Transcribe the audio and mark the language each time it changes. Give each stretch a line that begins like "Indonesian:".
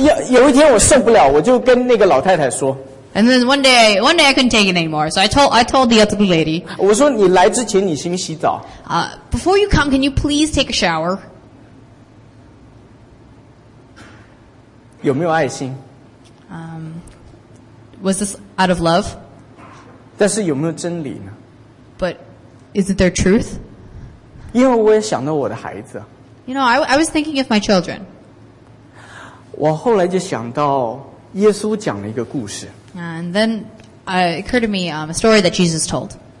Chinese: 有一天我受不了，我就跟那个老太太说。
English: And then one day I couldn't take it anymore. So I told the elderly lady.
Chinese: 我说你来之前你先洗澡。
English: Before you come, can you please take a shower?
Chinese: 有没有爱心?
English: Was this out of love?
Chinese: 但是有没有真理呢?
English: But is it their truth?
Chinese: 因为我也想到我的孩子。
English: You know, I was thinking of my children.
Chinese: 我后来就想到耶稣讲了一个故事。
English: And then it occurred to me a story that Jesus told.